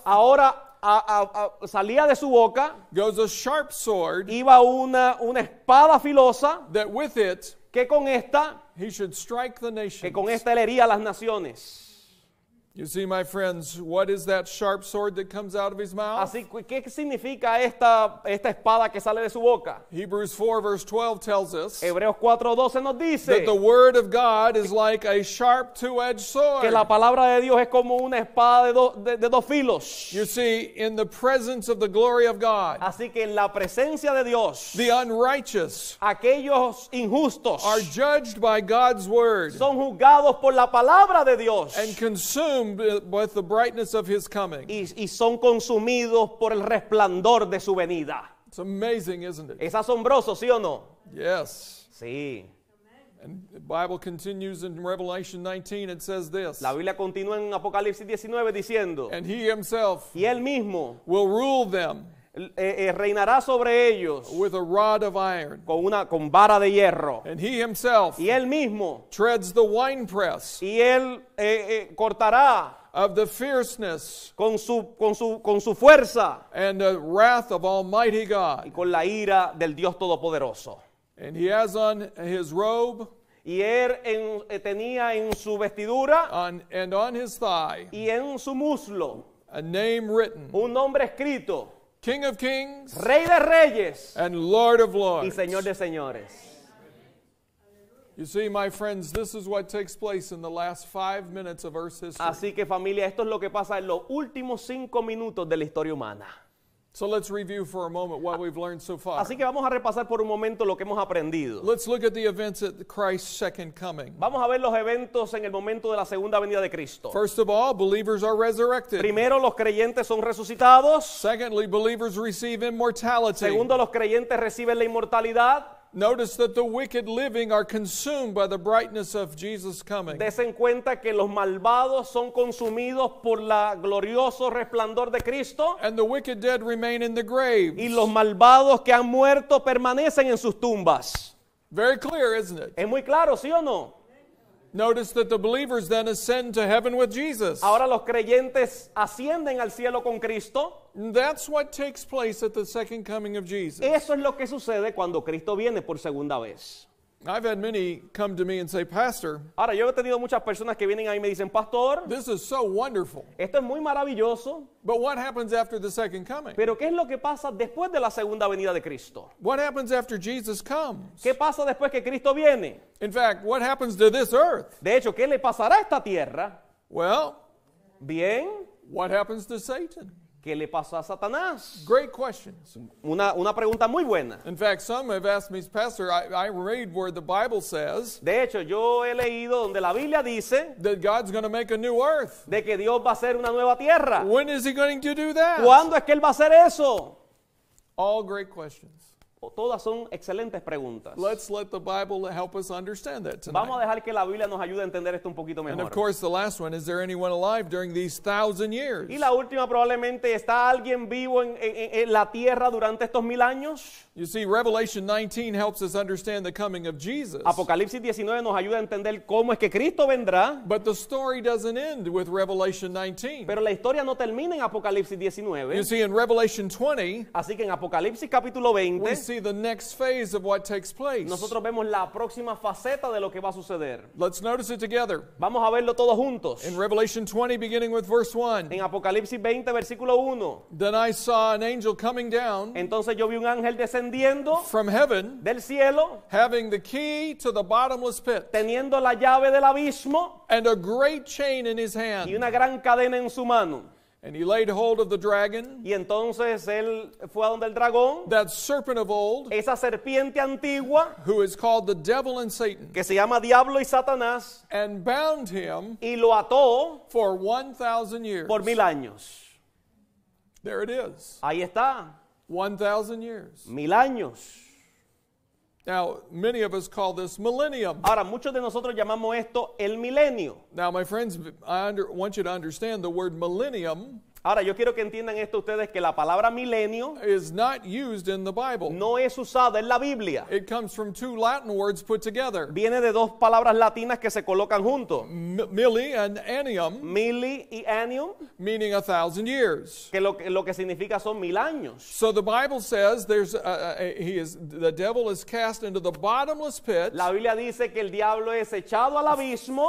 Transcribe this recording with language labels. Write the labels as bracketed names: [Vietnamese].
[Spanish] Ahora salía de su boca. [English] Goes a sharp sword. [Spanish] Iba una espada filosa. [English] That with it. [Spanish] Que con esta. [English] He should strike the nations. [Spanish] Que con esta él hería las naciones. [English] You see, my friends, what is that sharp sword that comes out of his mouth? [Spanish] Así, ¿qué significa esta espada que sale de su boca? [English] Hebrews 4, verse 12 tells us [Spanish] Hebreos 4:12 nos dice [English] that the word of God is like a sharp two-edged sword. [Spanish] Que la palabra de Dios es como una espada de dos filos. [English] You see, in the presence of the glory of God, [Spanish] así que en la presencia de Dios, [English] the unrighteous, [Spanish] aquellos injustos, [English] are judged by God's word, [Spanish] son juzgados por la palabra de Dios, [English] and consumed with the brightness of his coming. [Spanish] Y son consumidos por el resplandor de su venida. [English] It's amazing, isn't it? [Spanish] Es asombroso, ¿sí o no? [English] Yes. [Spanish] Sí. [English] And the Bible continues in Revelation 19, it says this. [Spanish] La Biblia continúa en Apocalipsis 19 diciendo. [English] And he himself. [Spanish] Y él mismo. [English] Will rule them. [Spanish] Reinará sobre ellos. [English] With a rod of iron. [Spanish] Con vara de hierro. [English] And he himself. [Spanish] Y él mismo. [English] Treads the winepress. [Spanish] Y él cortará. [English] Of the fierceness. [Spanish] Con su fuerza. [English] And the wrath of Almighty God. [Spanish] Y con la ira del Dios Todopoderoso. [English] And he has on his robe. [Spanish] Y él tenía en su vestidura. [English] And on his thigh. [Spanish] Y en su muslo. [English] A name written. [Spanish] Un nombre escrito. [English] King of kings. [Spanish] Rey de reyes. [English] And Lord of lords. [Spanish] Y Señor de señores. [English] You see, my friends, this is what takes place in the last 5 minutes of Earth's history. [Spanish] Así que familia, esto es lo que pasa en los últimos 5 minutos de la historia humana. [English] So let's review for a moment what we've learned so far. [Spanish] Así que vamos a repasar por un momento lo que hemos aprendido. [English] Let's look at the events at Christ's second coming. [Spanish] Vamos a ver los eventos en el momento de la segunda venida de Cristo. [English] First of all, believers are resurrected. [Spanish] Primero, los creyentes son resucitados. [English] Secondly, believers receive immortality. [Spanish] Segundo, los creyentes reciben la inmortalidad. [English] Notice that the wicked living are consumed by the brightness of Jesus coming. [Spanish] Dese cuenta que los malvados son consumidos por la glorioso resplandor de Cristo. [English] And the wicked dead remain in the graves. [Spanish] Y los malvados que han muerto permanecen en sus tumbas. [English] Very clear, isn't it? [Spanish] Es muy claro, ¿sí o no? [English] Notice that the believers then ascend to heaven with Jesus. [Spanish] Ahora los creyentes ascienden al cielo con Cristo. [English] That's what takes place at the second coming of Jesus. [Spanish] Eso es lo que sucede cuando Cristo viene por segunda vez. [English] I've had many come to me and say, Pastor, [Spanish] ahora, yo he tenido muchas personas que vienen a mí y me dicen, Pastor, [English] this is so wonderful. [Spanish] Esto es muy maravilloso. [English] But what happens after the second coming? [Spanish] Pero ¿qué es lo que pasa después de la segunda venida de Cristo? [English] What happens after Jesus comes? [Spanish] ¿Qué pasa después que Cristo viene? [English] In fact, what happens to this earth? [Spanish] De hecho, ¿qué le pasará a esta tierra? [English] Well, [Spanish] bien, [English] what happens to Satan? [Spanish] ¿Qué le pasó a Satanás? [English] Great questions. [Spanish] Una pregunta muy buena. [English] In fact, some have asked me, Pastor, I read where the Bible says, [Spanish] de hecho, yo he leído donde la Biblia dice, [English] that God's going to make a new earth. [Spanish] De que Dios va a hacer una nueva tierra. [English] When is he going to do that? [Spanish] ¿Cuándo es que él va a hacer eso? [English] All great questions. [Spanish] Todas son excelentes preguntas. [English] Let's let the Bible help us understand that tonight. [Spanish] Vamos a dejar que la Biblia nos ayude a entender esto un poquito mejor. [English] And of course, the last one, is there anyone alive during these 1,000 years? [Spanish] Y la última probablemente, ¿está alguien vivo en la tierra durante estos 1,000 años? [English] You see, Revelation 19 helps us understand the coming of Jesus. [Spanish] Apocalipsis 19 nos ayuda a entender cómo es que Cristo vendrá. [English] But the story doesn't end with Revelation 19. [Spanish] Pero la historia no termina en Apocalipsis 19. [English] You see, in Revelation 20, [Spanish] así que en Apocalipsis capítulo 20, [English] we see the next phase of what takes place. [Spanish] Nosotros vemos la próxima faceta de lo que va a suceder. [English] Let's notice it together. [Spanish] Vamos a verlo todos juntos. [English] In Revelation 20, beginning with verse 1. [Spanish] En Apocalipsis 20, versículo 1. [English] Then I saw an angel coming down. [Spanish] Entonces yo vi un ángel descendiendo. [English] From heaven. [Spanish] Del cielo. [English] Having the key to the bottomless pit. [Spanish] Teniendo la llave del abismo. [English] And a great chain in his hand. [Spanish] Y una gran cadena en su mano. [English] And he laid hold of the dragon. [Spanish] Y entonces él fue a donde el dragón. [English] That serpent of old. [Spanish] Esa serpiente antigua. [English] Who is called the devil and Satan. [Spanish] Que se llama Diablo y Satanás. [English] And bound him. [Spanish] Y lo ató. [English] For 1,000 years. [Spanish] Por 1,000 años. [English] There it is. [Spanish] Ahí está. [English] 1,000 years. [Spanish] 1,000 años. [English] Now, many of us call this millennium. [Spanish] Ahora, muchos de nosotros llamamos esto el milenio. [English] Now, my friends, I want you to understand the word millennium. [Spanish] Ahora, yo quiero que entiendan esto ustedes, que la palabra milenio [English] is not used in the Bible. [Spanish] No es usada en la Biblia. [English] It comes from two Latin words put together. [Spanish] Viene de dos palabras latinas que se colocan juntos. [English] Milli and annium. [Spanish] Milli y annium. [English] Meaning 1,000 years. [Spanish] Que lo que significa son 1,000 años. [English] So the Bible says the devil is cast into the bottomless pit. [Spanish] La Biblia dice que el diablo es echado al abismo.